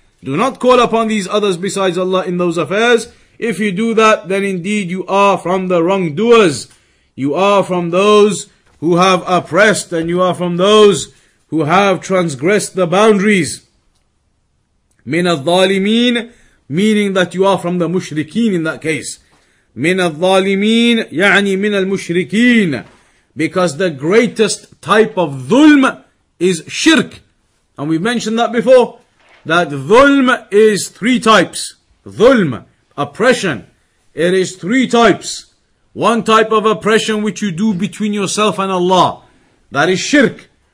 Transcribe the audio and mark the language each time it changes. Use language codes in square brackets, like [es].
[en] Do not call upon these others besides Allah in those affairs. If you do that, then indeed you are from the wrongdoers. You are from those who have oppressed and you are from those who have transgressed the boundaries. Min al-dhalimeen, meaning that you are from the mushrikeen in that case. [ar] Min al-dhalimeen, يعني من المشركين. [en] Because the greatest type of dhulm is shirk. And we mentioned that before, that dhulm is three types. Dhulm, oppression. It is three types. One type of oppression which you do between yourself and Allah, that is shirk.